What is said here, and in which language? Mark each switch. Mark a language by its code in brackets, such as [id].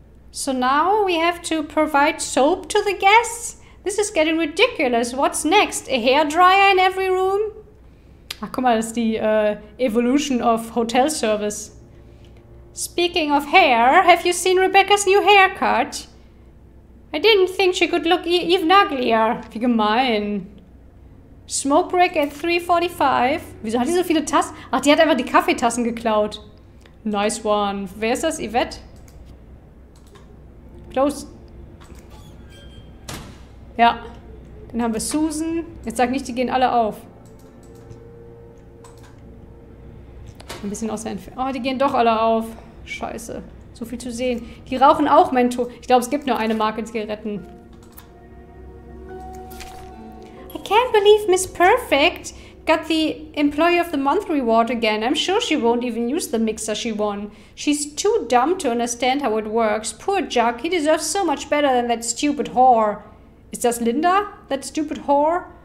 [en] So now we have to provide soap to the guests? This is getting ridiculous. What's next? A hair dryer in every room? [de] Ach, guck mal, das ist die Evolution of Hotel Service. [en] Speaking of hair, have you seen Rebecca's new haircut? I didn't think she could look even uglier. [de] Wie gemein. [en] Smoke break at 3:45. [de] Wieso hat die so viele Tassen? Ach, die hat einfach die Kaffeetassen geklaut. Nice one. Wer ist das? Yvette? [en] Close. [de] Ja. Dann haben wir Susan. Jetzt sag nicht, die gehen alle auf. Ein bisschen aus der Entfernung. Oh, die gehen doch alle auf. Scheiße. So viel zu sehen. Die rauchen auch Menthol. Ich glaube, es gibt nur eine Marke Zigaretten. [en] I can't believe Miss Perfect got the Employee of the Month reward again. I'm sure she won't even use the mixer she won. She's too dumb to understand how it works. Poor Jack, he deserves so much better than that stupid whore. [de] Ist das Linda? [en] That stupid whore?